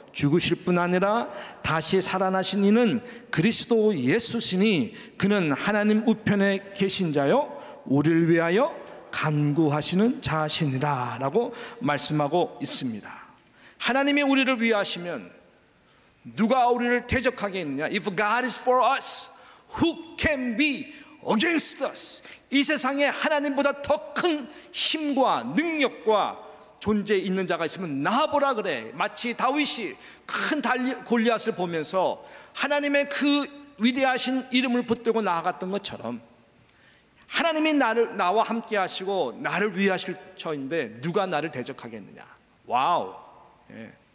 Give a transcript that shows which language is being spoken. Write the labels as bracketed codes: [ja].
[ko] 죽으실 뿐 아니라 다시 살아나신 이는 그리스도 예수시니 그는 하나님 우편에 계신 자요 우리를 위하여 간구하시는 자시니라 라고 말씀하고 있습니다. 하나님이 우리를 위하시면 누가 우리를 대적하겠느냐? [en] If God is for us, who can be against us? [ko] 이 세상에 하나님보다 더 큰 힘과 능력과 존재 있는 자가 있으면 나보라 그래. 마치 다윗이 큰 골리앗을 보면서 하나님의 그 위대하신 이름을 붙들고 나아갔던 것처럼 하나님이 나와 함께 하시고 나를 위하실 처인데 누가 나를 대적하겠느냐. 와우. 예.